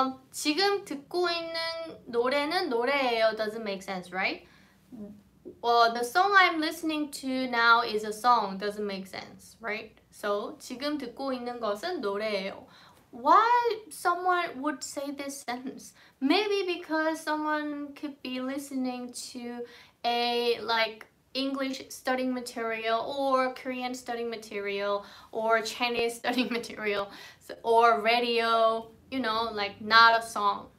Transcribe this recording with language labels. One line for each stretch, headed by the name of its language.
Korean: 지금 듣고 있는 노래는 노래예요.
English: Doesn't make sense, right? Well, the song I'm listening to now is a song. Doesn't make sense, right? So,
Korean: 지금 듣고 있는 것은 노래예요.
English: Why someone would say this sentence? Maybe because someone could be listening to a, like, English studying material or Korean studying material or Chinese studying material or radio, you know, like not a song.